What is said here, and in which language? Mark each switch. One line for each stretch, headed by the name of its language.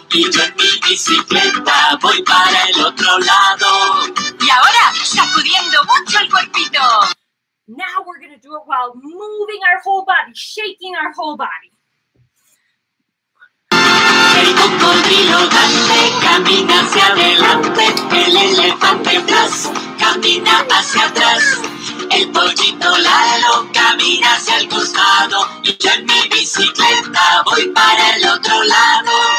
Spanish: Y yo en mi bicicleta voy para el otro lado. Y ahora sacudiendo mucho el cuerpito.
English: Now we're going to do it while moving our whole body, shaking our whole body.
Spanish: El cocodrilo Dante camina hacia adelante, el elefante Blas camina hacia atrás, el pollito Lalo camina hacia el costado y yo en mi bicicleta voy para el otro lado.